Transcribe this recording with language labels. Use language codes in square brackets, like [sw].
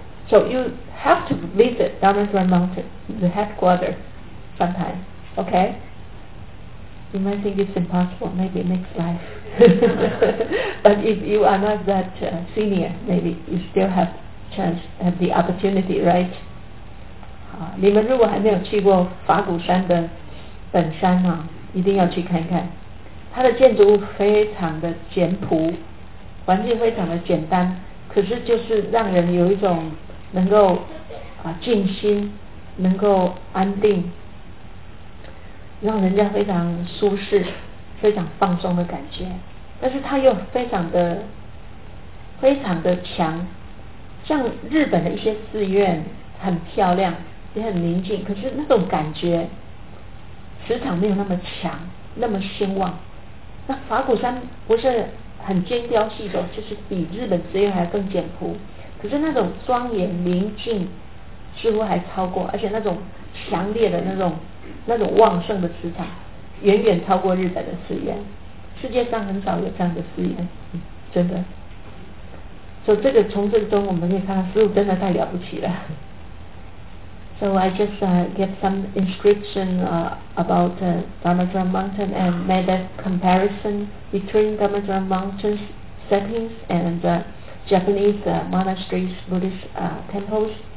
[en] So you have to visit Dharmadhara Mountain, the headquarters, sometime. Okay? You might think it's impossible, maybe next life. But if you are not that senior, maybe you still have chance, have the opportunity, right? [zh] 你们如果还没有去过法鼓山的本山啊，一定要去看看。它的建筑物非常的简朴，环境非常的简单，可是就是让人有一种能够静心，能够安定，让人家非常舒适、非常放松的感觉。但是它又非常的、非常的强。像日本的一些寺院很漂亮，也很宁静，可是那种感觉磁场没有那么强、那么兴旺。那法鼓山不是很精雕细琢，就是比日本寺院还更简朴，可是那种庄严宁静似乎还超过，而且那种强烈的那种旺盛的磁场远远超过日本的寺院，世界上很少有这样的寺院，真的。所以这个从这中我们可以看到师父真的太了不起了。 [en] So I just give some inscription about Damodaran Mountain and made a comparison between Damodaran Mountain settings and the Japanese monasteries, Buddhist temples.